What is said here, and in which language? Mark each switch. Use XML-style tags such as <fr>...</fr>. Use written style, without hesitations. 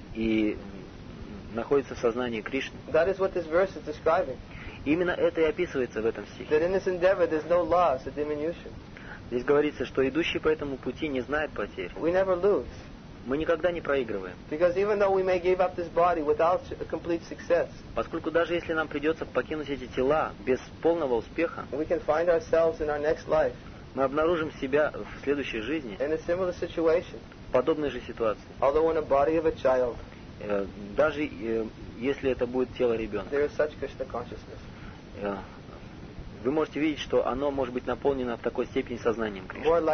<ru>И находится в сознании Кришны.</ru> <en>That is what this verse is describing.</en> <ru>Именно это и описывается в этом стихе.</ru> <en>That in this endeavor there's no loss, a diminution.</en> <ru>Здесь говорится, что идущий по этому пути не знает потерь.</ru> <en>We never lose.</en> <ru>Мы никогда не проигрываем.</ru> <en>Because even though we may give up this body without complete success,</en> <ru>поскольку даже если нам придется покинуть эти тела без полного успеха,</ru> <en>we can find ourselves in our next life.</en> <ru>Мы обнаружим себя в следующей жизни</ru> <en>in a similar situation,</en> <ru>в подобной же ситуации.</ru> <en>Although in a body of a child,</en> <ru>даже если это будет тело ребенка.</ru> <en>There is such Krishna consciousness.</en> <ru>Вы можете видеть, что оно может быть наполнено в такой степени сознанием Кришны.</ru>